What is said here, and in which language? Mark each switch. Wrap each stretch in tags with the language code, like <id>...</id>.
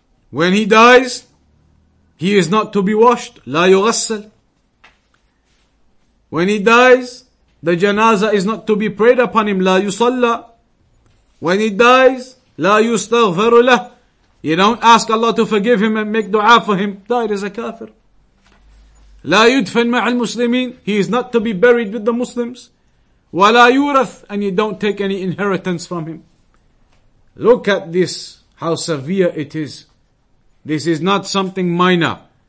<en>When he dies, he is not to be washed.</en> <ar>لا يغسل.</ar> <en>When he dies, the janaza is not to be prayed upon him.</en> <ar>لا يصلى.</ar> <en>When he dies,</en> <ar>لا يستغفر له.</ar> <en>You don't ask Allah to forgive him and make dua for him. Died as a kafir.</en> <ar>لا يدفن مع المسلمين.</ar> <en>He is not to be buried with the Muslims.</en> <ar>ولا يورث.</ar> <en>And you don't take any inheritance from him. Look at this, how severe it is. This is not something minor.</en>